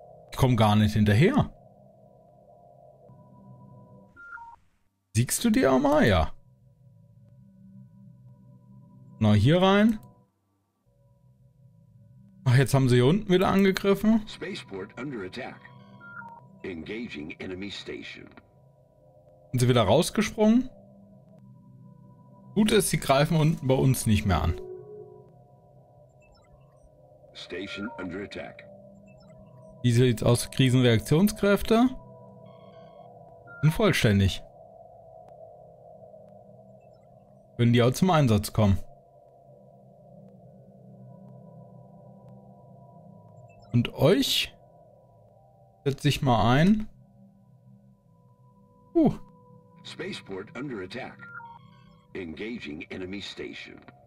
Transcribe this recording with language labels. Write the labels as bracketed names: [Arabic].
[German] Ich komme gar nicht hinterher. Siegst du die auch mal? Ja. Na, hier rein. Ach, jetzt haben sie hier unten wieder angegriffen. [English] Spaceport under attack. Engaging enemy station. [German] Sind sie wieder rausgesprungen? Gut ist, sie greifen unten bei uns nicht mehr an. [English] Station under attack. [German] Wie sieht's aus? Krisenreaktionskräfte? Unvollständig. Können die auch zum Einsatz kommen? Und euch setze ich mal ein. [English] Spaceport under attack. Engaging enemy station.